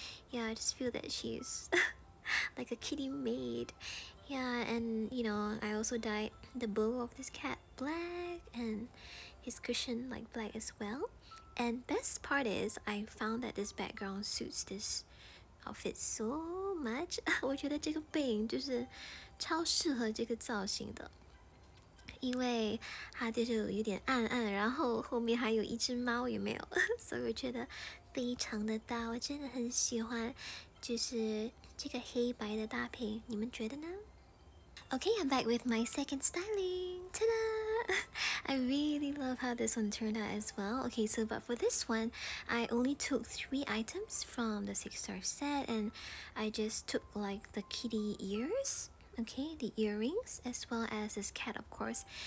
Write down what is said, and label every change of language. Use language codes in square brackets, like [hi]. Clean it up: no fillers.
[en] Yeah, I just feel that she's like a kitty maid. Yeah, and you know, I also dyed the bow of this cat black and his cushion like black as well. And best part is, I found that this background suits this outfit so much. [zh] 我觉得这个背影就是超适合这个造型的，因为它就是有点暗暗，然后后面还有一只猫，有没有？所以我觉得非常的搭，我真的很喜欢，就是这个黑白的搭配，你们觉得呢？ [en] Okay, I'm back with my second styling. Ta-da! I really love how this one turned out as well. Okay, so but for this one, I only took 3 items from the 6-star set and I just took like the kitty ears, okay, the earrings, as well as this cat, of course.